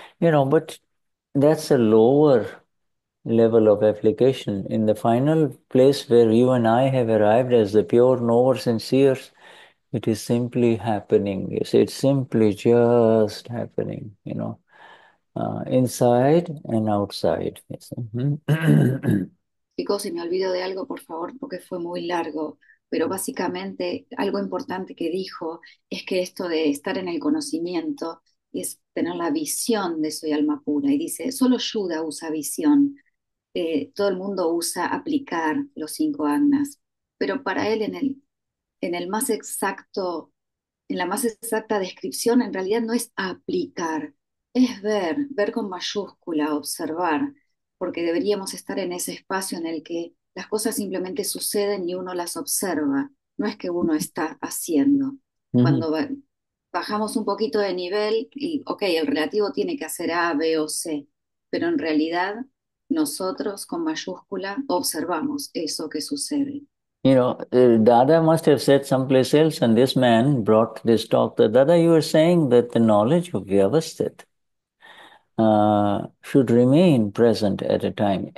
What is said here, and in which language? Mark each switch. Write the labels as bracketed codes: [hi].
[en] You know, but that's a lower level of application. In the final place where you and I have arrived as the pure knowers and seers, it is simply happening. You see, it's simply just happening, you know, inside and outside. Yes. [es] Chicos, si me olvido de algo, por favor, porque fue muy largo, pero básicamente algo importante que dijo es que esto de estar en el conocimiento es tener la visión de soy alma pura. Y dice, solo Yuda usa visión, todo el mundo usa aplicar los cinco agnas, pero para él en el más exacto, en la más exacta descripción, en realidad no es aplicar, es ver con mayúscula, observar. Porque deberíamos estar en ese espacio en el que las cosas simplemente suceden y uno las observa, no es que uno está haciendo. Cuando bajamos un poquito de nivel, y ok, el relativo tiene que hacer A, B o C, pero en realidad nosotros con mayúscula observamos eso que sucede. [en] You know, Dada must have said someplace else, and this man brought this talk that Dada, you were saying that the knowledge of Vyavasthit should remain present at a time.